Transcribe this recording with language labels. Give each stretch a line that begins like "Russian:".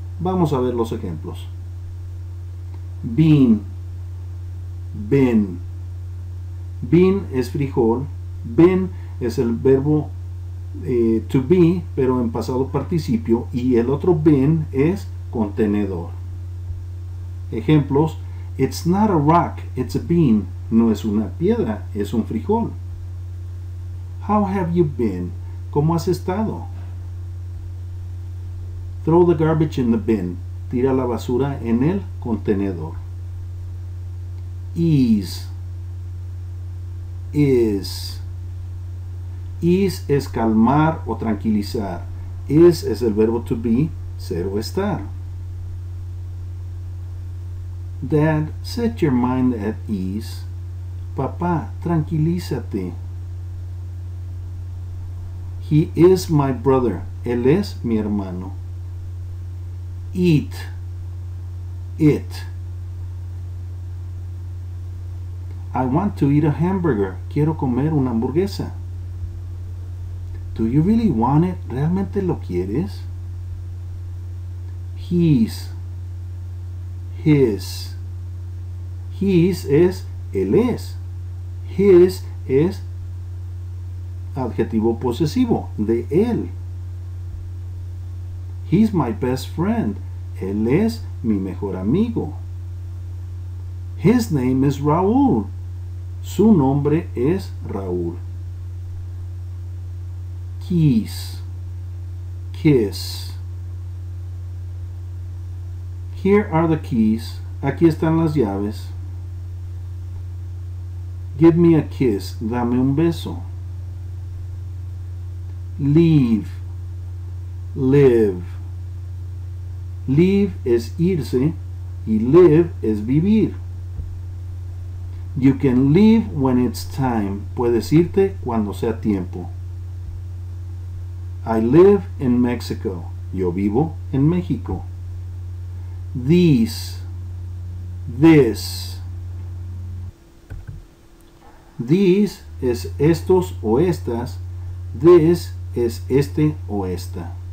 Spanish: Vamos a ver los ejemplos. Bean, ben. Bean es frijol, ben es el verbo
English: to be,
Spanish: pero en pasado participio, y el otro ben es contenedor.
English: Ejemplos, it's not a rock, it's a bean.
Spanish: No es una piedra, es un frijol.
English: How have you been?
Spanish: ¿Cómo has estado?
English: Throw the garbage in the bin.
Spanish: Tira la basura en el contenedor.
English: Ease. Is.
Spanish: Ease es calmar o tranquilizar. Is es el verbo
English: to be,
Spanish: ser o estar.
English: Dad, set your mind at ease.
Spanish: Papá, tranquilízate.
English: He is my brother.
Spanish: Él es mi hermano.
English: Eat. It. I want to eat a hamburger.
Spanish: Quiero comer una hamburguesa.
English: Do you really want it?
Spanish: ¿Realmente lo quieres?
English: He's. His.
Spanish: He's es él es. His es adjetivo posesivo, de él.
English: He's my best friend.
Spanish: Él es mi mejor amigo.
English: His name is Raúl.
Spanish: Su nombre es Raúl.
English: Kiss. Kiss. Here are the keys.
Spanish: Aquí están las llaves.
English: Give me a kiss.
Spanish: Dame un beso.
English: Leave, live.
Spanish: Leave es irse y live es vivir.
English: You can leave when it's time.
Spanish: Puedes irte cuando sea tiempo.
English: I live in Mexico.
Spanish: Yo vivo en México.
English: These, this.
Spanish: These es estos o estas. This es este o esta.